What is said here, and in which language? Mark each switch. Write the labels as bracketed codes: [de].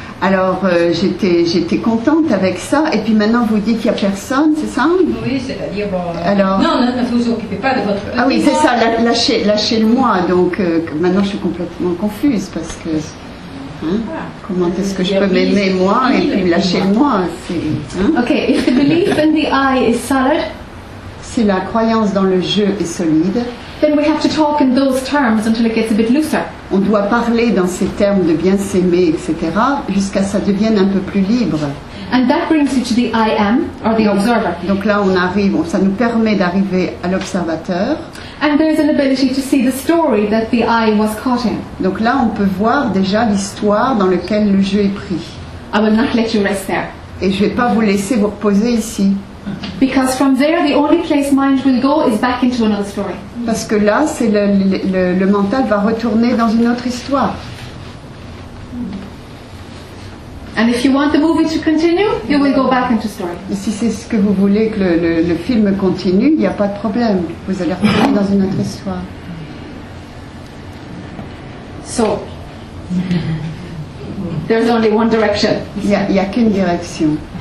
[fr] Alors, j'étais contente avec ça. Et puis maintenant, vous dites qu'il n'y a personne, c'est ça? Oui, c'est-à-dire... Alors... Non, ne vous occupez pas de votre... Ah oui, c'est ça, lâchez le moi. Donc, maintenant, je suis complètement confuse parce que... Hein? Comment est-ce que je peux m'aimer moi et puis lâcher le moi, c'est, hein? [en] Ok, if the belief in the I is solid... [fr] Si la croyance dans le jeu est solide... [en] Then we have to talk in those terms until it gets a bit looser. [fr] On doit parler dans ces termes de bien s'aimer, etc., jusqu'à ça devienne un peu plus libre. [en] And that brings you to the I am, or the observer. [fr] Donc là, on arrive, ça nous permet d'arriver à l'observateur. [en] And there's an ability to see the story that the I was caught in. [fr] Donc là, on peut voir déjà l'histoire dans laquelle le jeu est pris. [en] I will not let you rest there. [fr] Et je ne vais pas vous laisser vous reposer ici. [en] Because from there, the only place mind will go is back into another story. [fr] Parce que là, c'est le mental va retourner dans une autre histoire. [en] And if you want the movie to continue, you will go back into story. [fr] Et si c'est ce que vous voulez que le film continue, il n'y a pas de problème. Vous allez retourner dans une autre histoire. [en] So, there's only one direction. [fr] Il y a qu'une direction.